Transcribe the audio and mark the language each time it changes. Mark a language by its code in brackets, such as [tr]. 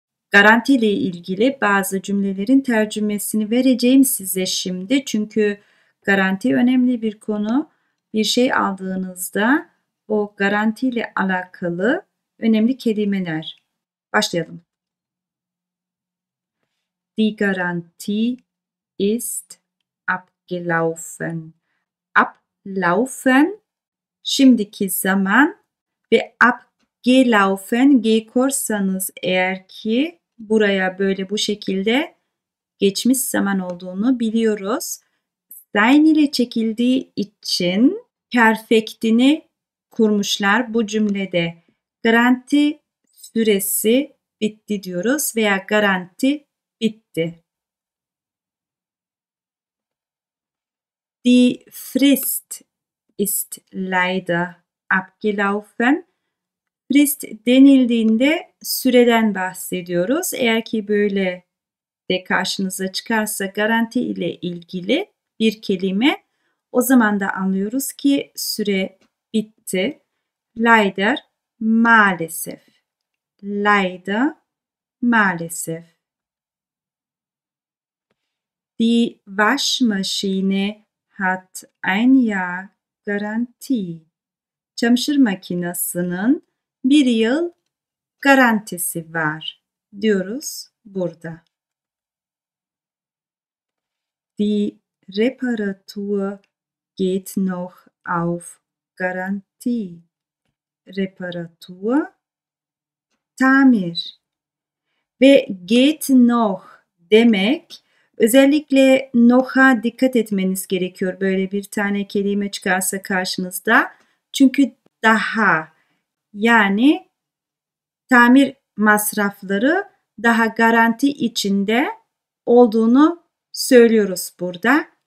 [tr] Garanti ile ilgili bazı cümlelerin tercümesini vereceğim size şimdi. Çünkü garanti önemli bir konu. Bir şey aldığınızda o garanti ile alakalı önemli kelimeler. Başlayalım. [de] Die Garantie ist abgelaufen. [tr] Ablaufen, şimdiki zaman ve abgelaufen, G korsanız eğer ki buraya böyle bu şekilde geçmiş zaman olduğunu biliyoruz. Sein ile çekildiği için perfektini kurmuşlar bu cümlede. Garanti süresi bitti diyoruz veya garanti bitti. [de] Die Frist ist leider abgelaufen. [tr] Frist denildiğinde süreden bahsediyoruz. Eğer ki böyle de karşınıza çıkarsa garanti ile ilgili bir kelime, o zaman da anlıyoruz ki süre bitti. Leider, maalesef. Leider, maalesef. [de] Die Waschmaschine hat ein Jahr Garantie. [tr] Çamaşır makinesinin bir yıl garantisi var diyoruz burada. [de] Die Reparatur geht noch auf Garantie. [tr] Reparatur, tamir. Ve geht noch demek, özellikle noha dikkat etmeniz gerekiyor. Böyle bir tane kelime çıkarsa karşınızda. Çünkü daha, yani tamir masrafları daha garanti içinde olduğunu söylüyoruz burada.